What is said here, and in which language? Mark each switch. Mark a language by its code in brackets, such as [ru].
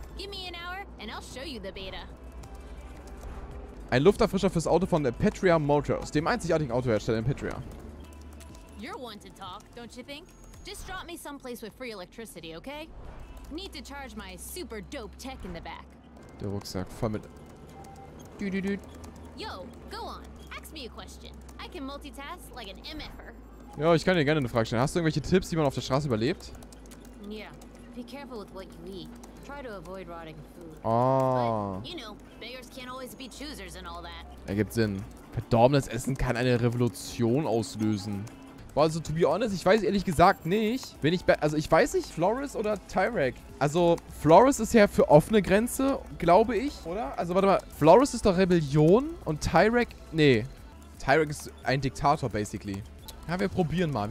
[en] Give me an hour and I'll show you the beta. [de] Ein Lufterfrischer fürs Auto von der Petria Motors, dem einzigartigen Autohersteller in Petria. [en] You're one to talk, don't you think? Just drop me someplace with free electricity, okay? Need to charge my super dope tech in the back. [de] Der Rucksack voll mit. [en] Yo, go on. Ask me a question. I can multitask like an MF-er. [de] Ja, ich kann dir gerne eine Frage stellen. Hast du irgendwelche Tipps, wie man auf der Straße überlebt? Ja. [en] Yeah. Be careful with what you eat. Try to avoid rotting food. Oh. But, you know, beggars can't always be choosers and all that. [de] Ergibt Sinn. Verdorbenes Essen kann eine Revolution auslösen. Boah, also [en] to be honest, [de] ich weiß ehrlich gesagt nicht, wenn ich, also ich weiß nicht, Flores oder Tyrak. Also Flores ist ja für offene Grenze, glaube ich, oder? Also warte mal, Flores ist doch Rebellion und Tyrak, nee. Tyrak ist ein Diktator, basically. Ja, wir probieren mal.